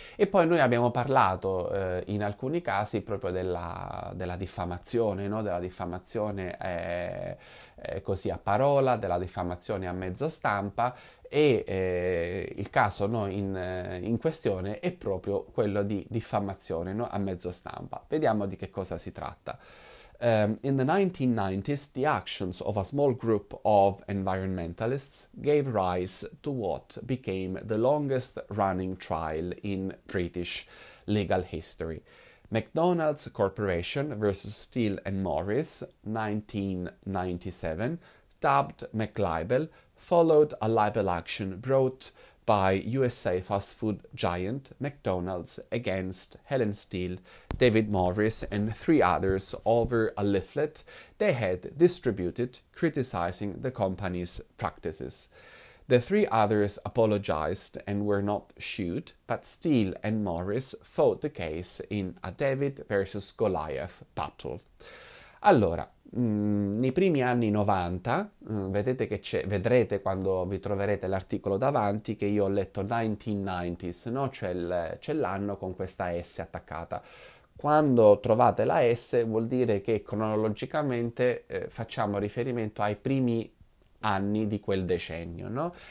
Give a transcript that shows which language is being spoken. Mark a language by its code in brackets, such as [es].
[it] E poi noi abbiamo parlato in alcuni casi proprio della diffamazione, no? Della diffamazione così a parola, della diffamazione a mezzo stampa. E il caso no, in questione è proprio quello di diffamazione no, a mezzo stampa. Vediamo di che cosa si tratta. [en] In the 1990s, the actions of a small group of environmentalists gave rise to what became the longest running trial in British legal history. McDonald's Corporation versus Steel and Morris, 1997, dubbed McLibel. Followed a libel action brought by USA fast food giant McDonald's against Helen Steele, David Morris, and three others over a leaflet they had distributed criticizing the company's practices. The three others apologized and were not sued, but Steele and Morris fought the case in a David versus Goliath battle. [it] Allora, nei primi anni 90, vedrete quando vi troverete l'articolo davanti che io ho letto 1990s, no? C'è l'anno con questa S attaccata. Quando trovate la S vuol dire che cronologicamente facciamo riferimento ai primi anni di quel decennio, no?